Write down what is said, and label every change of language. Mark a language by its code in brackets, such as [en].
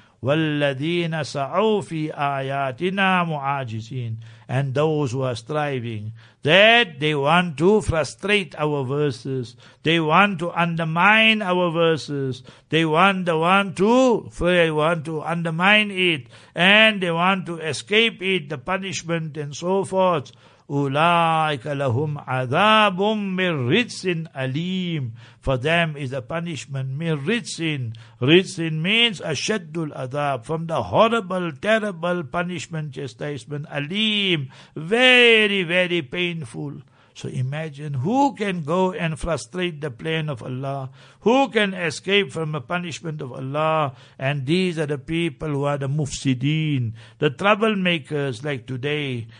[ar] وَالَّذِينَ سَعُوا فِي آيَاتِنَا مُعَاجِزِينَ [en] And those who are striving, that they want to frustrate our verses, they want to undermine our verses, they want to undermine it, and they want to escape it, the punishment and so forth. [ar] أُولَٰئِكَ لَهُمْ عَذَابٌ مِّن رِّجْزٍ أَلِيمٌ [en] For them is a punishment. [ar] مِّن رِّجْزٍ رِّجْزٍ [en] means [ar] أَشَدُّ الْعَذَابِ [en] From the horrible, terrible punishment, chastisement, [ar] أليم, [en] very, very painful. So imagine, who can go and frustrate the plan of Allah? Who can escape from the punishment of Allah? And these are the people who are the mufsideen, the troublemakers like today.